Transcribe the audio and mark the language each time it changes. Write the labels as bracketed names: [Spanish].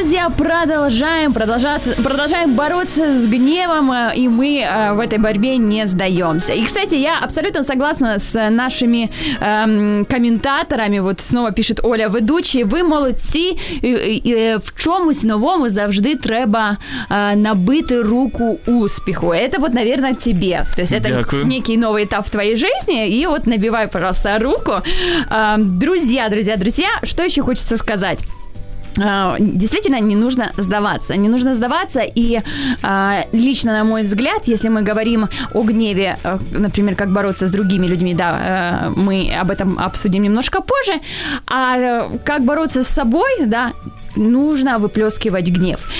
[Russian] Продолжаем бороться с гневом, и мы в этой борьбе не сдаемся. И, кстати, я абсолютно согласна с нашими комментаторами. Вот снова пишет Оля Ведучи. [Ukrainian] Ви молодці, в чомусь новому завжди треба набити руку успіху. [Russian] Это вот, наверное, тебе. То есть это [Ukrainian] Дякую. [Russian] Некий новый этап в твоей жизни. И вот набивай, пожалуйста, руку. Друзья, друзья, друзья, что еще хочется сказать? действительно не нужно сдаваться. Не нужно сдаваться, и лично, на мой взгляд, если мы говорим о гневе, например, как бороться с другими людьми, да, мы об этом обсудим немножко позже, а как бороться с собой, да, нужно выплескивать гнев.